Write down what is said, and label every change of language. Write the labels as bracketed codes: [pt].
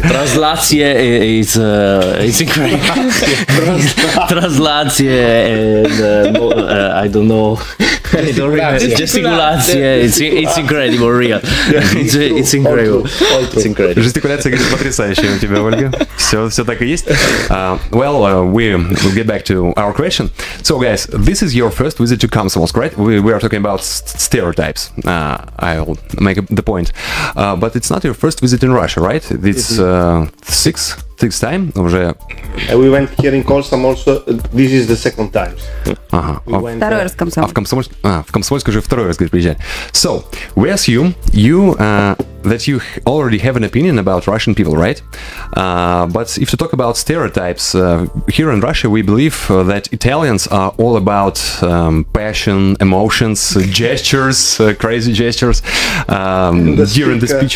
[en] Translatia is incredible. Translatia and I don't know. Жестикуляция, it's incredible, real. Yeah, it's incredible. It's incredible. [ru] Жестикуляция, говорит, потрясающая у тебя, Ольга. Все, все так и есть. [en] Well, we'll get back to our question. So, guys, this is your first visit to Komsomolsk, right? We are talking about stereotypes. I'll make the point. But it's not your first visit in Russia, right? It's six time уже. We went here in Komsomolsk. This is the second time. [ru] Ага. Второй раз Комсомольск. В Комсомольск уже второй раз, говорит, приезжает. [en] So, we assume you that you already have an opinion about Russian people, right? But if to talk about stereotypes, here in Russia we believe that Italians are all about passion, emotions, gestures, crazy gestures during the speech.